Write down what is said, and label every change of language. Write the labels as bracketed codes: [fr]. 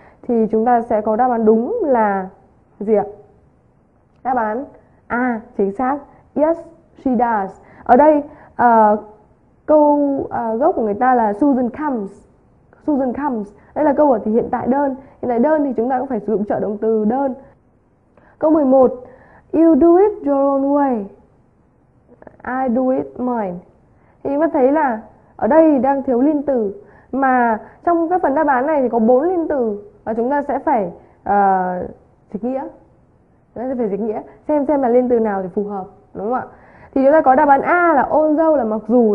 [vi] Thì chúng ta sẽ có đáp án đúng là gì ạ? Đáp án A, chính xác. [en] Yes, she does. [vi] Ở đây câu gốc của người ta là [en] Susan comes. Susan comes. [vi] Đây là câu ở thì hiện tại đơn. Hiện tại đơn thì chúng ta cũng phải sử dụng trợ động từ đơn. Câu 11. [en] You do it your own way. I do it mine. [vi] Thì chúng ta thấy là ở đây đang thiếu liên từ. Mà trong cái phần đáp án này thì có 4 liên từ. Và chúng ta sẽ phải dịch nghĩa. Chúng ta sẽ phải dịch nghĩa. Xem là liên từ nào thì phù hợp. Đúng không ạ? Thì chúng ta có đáp án A là although là mặc dù.